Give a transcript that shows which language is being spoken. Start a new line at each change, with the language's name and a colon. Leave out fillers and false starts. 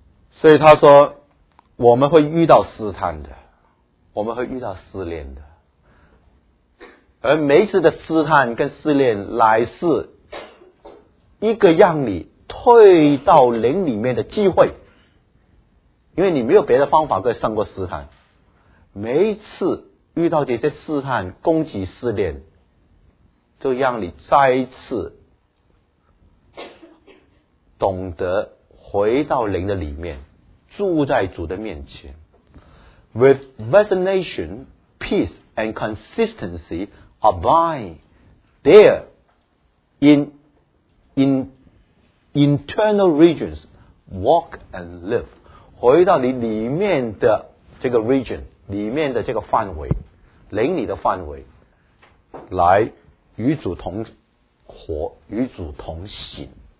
Chinese: 所以他说我们会遇到试探的，我们会遇到试炼的，而每一次的试探跟试炼乃是一个让你退到灵里面的机会，因为你没有别的方法可以胜过试探。每一次遇到这些试探攻击试炼，就让你再一次懂得回到灵的里面，住在主的面前。
English: With resignation, peace and consistency abide there in internal regions, walk and live.
Chinese: 回到你里面的这个 region, 里面的这个范围，灵里的范围，来与主同活，与主同行。